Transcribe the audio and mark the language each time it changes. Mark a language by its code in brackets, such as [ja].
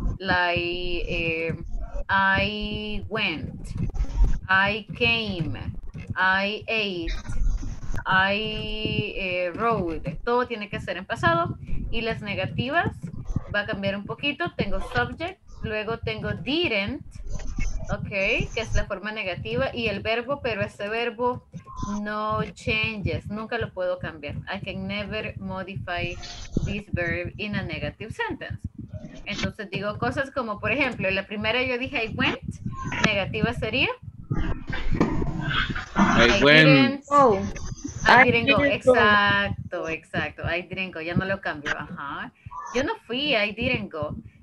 [en] like I went, I came, I ate, I rode. [es] Todo tiene que ser en pasado. Y las negativas va a cambiar un poquito. Tengo subject, luego tengo didn't, okay, que es la forma negativa, y el verbo, pero ese verbo no changes, nunca lo puedo cambiar. [en] I can never modify this verb in a negative sentence. [es] Entonces digo cosas como, por ejemplo, la primera yo dije I went, negativa sería [en] I went. I didn't go. I didn't go, [es] ya no lo cambio. [en] Ajá. [es] Yo no fui, [en] I didn't go.